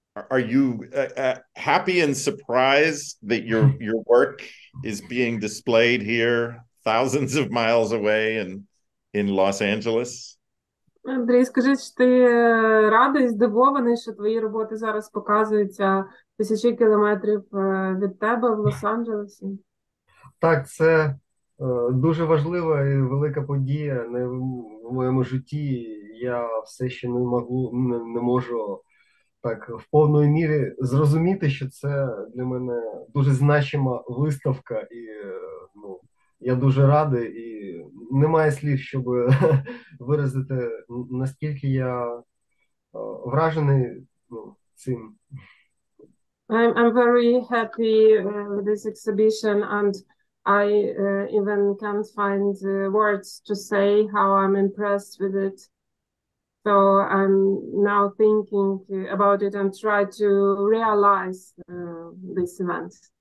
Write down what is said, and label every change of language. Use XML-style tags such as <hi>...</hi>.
<en>Are you happy and surprised that your work is being displayed here, thousands of miles away in Los Angeles?</en> <uk>Андрій, скажи, чи ти радий, здивований, що твої роботи зараз показуються тисячі кілометрів від тебе в Лос-Анджелесі? Так, це дуже важлива і велика подія в моєму житті. Я все ще не можу так в повної мірі зрозуміти, що це для мене дуже значима виставка. І, ну, я дуже радий і немає слів, щоб виразити, наскільки я вражений цим.</uk> <en>I'm very happy with this exhibition, and I even can't find words to say how I'm impressed with it. So I'm now thinking about it and try to realize this event.</en>